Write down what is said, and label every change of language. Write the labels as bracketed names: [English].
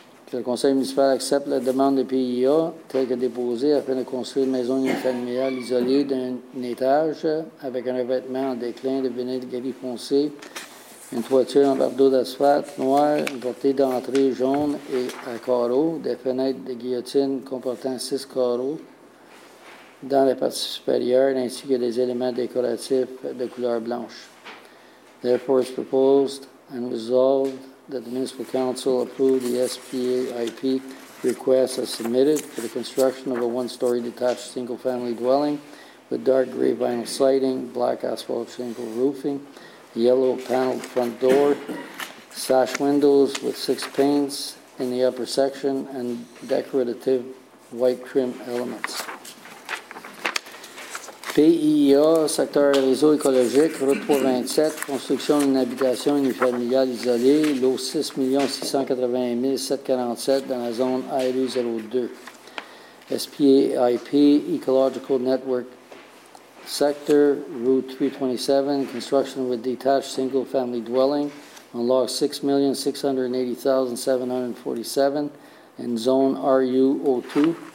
[French] Que le conseil municipal accepte la demande de PIA telle que déposée afin de construire une maison unifamiliale isolée d'un étage avec un revêtement en déclin de vinyle gris foncé, une toiture en bardeau d'asphalte noir, une portée d'entrée jaune et à carreaux, des fenêtres de guillotine comportant 6 carreaux dans la partie supérieure ainsi que des éléments décoratifs de couleur blanche. [English] Therefore, it's proposed and resolved that the Municipal Council approve the SPAIP request as submitted for the construction of a one-story detached single-family dwelling with dark gray vinyl siding, black asphalt shingle roofing, yellow paneled front door, sash windows with 6 panes in the upper section, and decorative white trim elements. [French] PIA, secteur réseau écologique, route 327, construction d'une habitation unifamiliale isolée, lot 6,680,747 dans la zone ARU02. [English] SPAIP, Ecological Network Sector, route 327, construction with detached single family dwelling on lot 6,680,747 in zone RU02.